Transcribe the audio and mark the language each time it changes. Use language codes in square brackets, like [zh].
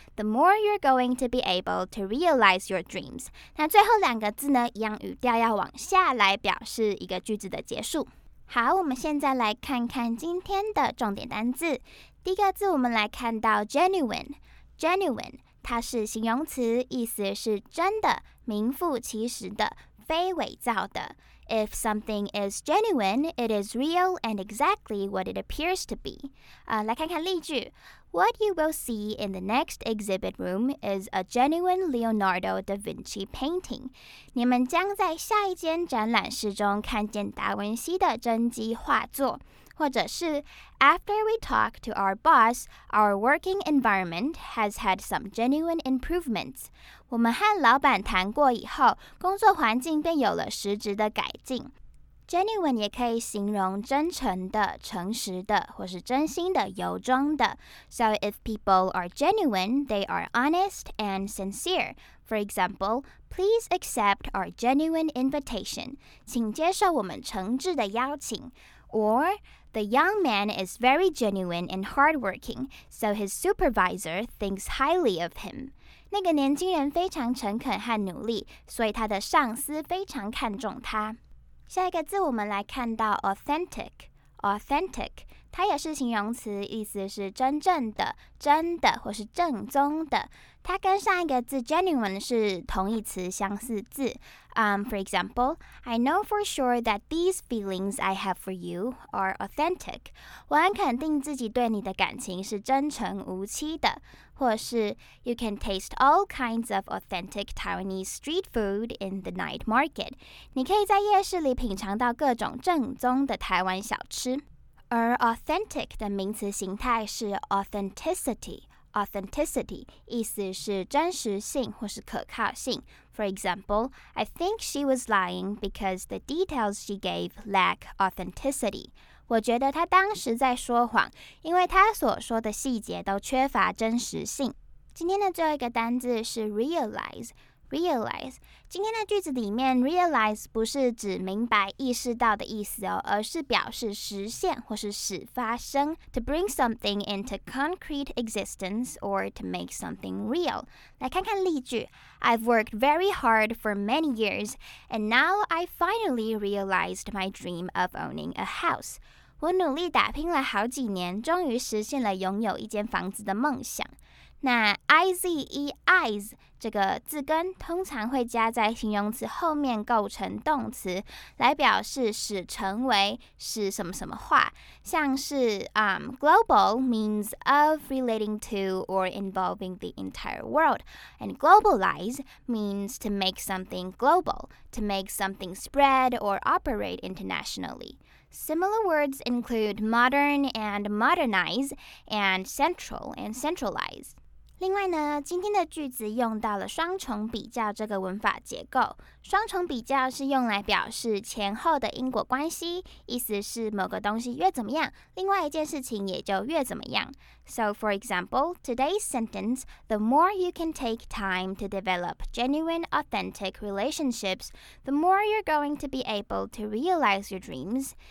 [en] The more you're going to be able to realize your dreams. [zh] 那最后两个字呢，一样语调要往下来表示一个句子的结束。好，我们现在来看看今天的重点单字。第一个字我们来看到 genuine， genuine 它是形容词，意思是真的，名副其实的，非伪造的。 [en] If something is genuine, it is real and exactly what it appears to be. [zh] 来看看例句。 [en] What you will see in the next exhibit room is a genuine Leonardo da Vinci painting. [zh] 你们将在下一间展览室中看见达文西的真迹画作。或者是 [en] After we talk to our boss, our working environment has had some genuine improvements. [zh] 我们和老板谈过以后，工作环境便有了实质的改进。 Genuine 也可以形容真诚的、诚实的，或是真心的、由衷的。 [en] So if people are genuine, they are honest and sincere. For example, please accept our genuine invitation. [zh] 请接受我们诚挚的邀请。 [en] Or... The young man is very genuine and hardworking, so his supervisor thinks highly of him. [zh] 那个年轻人非常诚恳和努力，所以他的上司非常看重他。下一个字我们来看到 authentic. Authentic, 它也是形容词，意思是真正的、真的或是正宗的。它跟上一个字 genuine 是同义词，相似字。 [en] For example, I know for sure that these feelings I have for you are authentic. [zh] 我很肯定自己对你的感情是真诚无欺的。或是 [en] You can taste all kinds of authentic Taiwanese street food in the night market. [zh] 你可以在夜市里品尝到各种正宗的台湾小吃。而 authentic 的名词形态是 authenticity。 Authenticity 意思是真实性或是可靠性。 [en] For example, I think she was lying because the details she gave lack authenticity. [zh] 我觉得她当时在说谎，因为她所说的细节都缺乏真实性。今天的最后一个单字是 realize。Realize 今天的句子里面 realize 不是指明白意识到的意思哦，而是表示实现或是使发生 [en] to bring something into concrete existence or to make something real. [zh] 来看看例句 [en] I've worked very hard for many years and now I finally realized my dream of owning a house. [zh] 我努力打拼了好几年，终于实现了拥有一间房子的梦想。那 IZE,eyes 这个字根通常会加在形容词后面构成动词，来表示使成为，使什么什么化。像是 [en] global means of relating to or involving the entire world. And globalize means to make something global, to make something spread or operate internationally. Similar words include modern and modernize and central and centralize. [zh] 另外呢，今天的句子用到了双重比较这个文法结构。双重比较是用来表示前后的因果关系，意思是某个东西越怎么样，另外一件事情也就越怎么样。 [en] So for example, today's sentence, the more you can take time to develop genuine, authentic relationships, the more you're going to be able to realize your dreams.